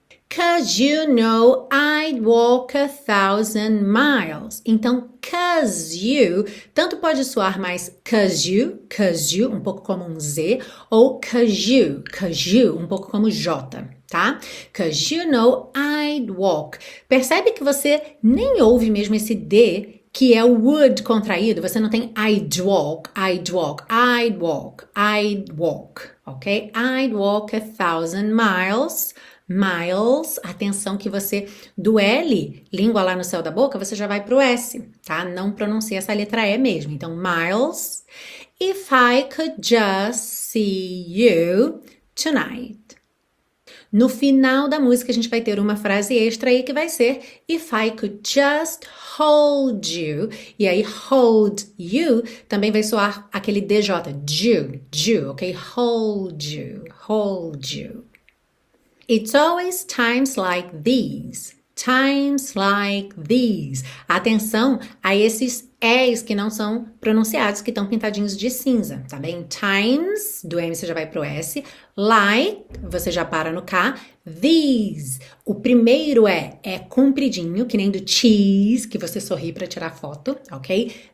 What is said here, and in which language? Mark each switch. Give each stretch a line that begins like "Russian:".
English: 'Cause you know I'd walk a thousand miles.
Portuguese: Então,
English: 'cause you,
Portuguese: tanto pode soar mais 'cause you, um pouco como um Z, ou 'cause you, um pouco como J, tá?
English: 'Cause you know I'd walk.
Portuguese: Percebe que você nem ouve mesmo esse D, que é o would contraído, você não tem
English: I'd walk, I'd walk, I'd walk,
Portuguese: I'd walk, ok?
English: I'd walk a thousand miles,
Portuguese: miles, atenção que você, do L, língua lá no céu da boca, você já vai pro S, tá? Não pronuncia essa letra E mesmo, então miles.
English: If I could just see you tonight.
Portuguese: No final da música, a gente vai ter uma frase extra aí que vai ser
English: if I could just hold you.
Portuguese: E aí, hold you também vai soar aquele DJ, you, ok?
English: Hold you, hold you. It's always times like these, times like these.
Portuguese: Atenção a esses E's que não são pronunciados, que estão pintadinhos de cinza, tá bem? Times, do M você já vai pro S. Like, você já para no K. These, o primeiro é compridinho, que nem do cheese, que você sorri pra tirar foto, ok?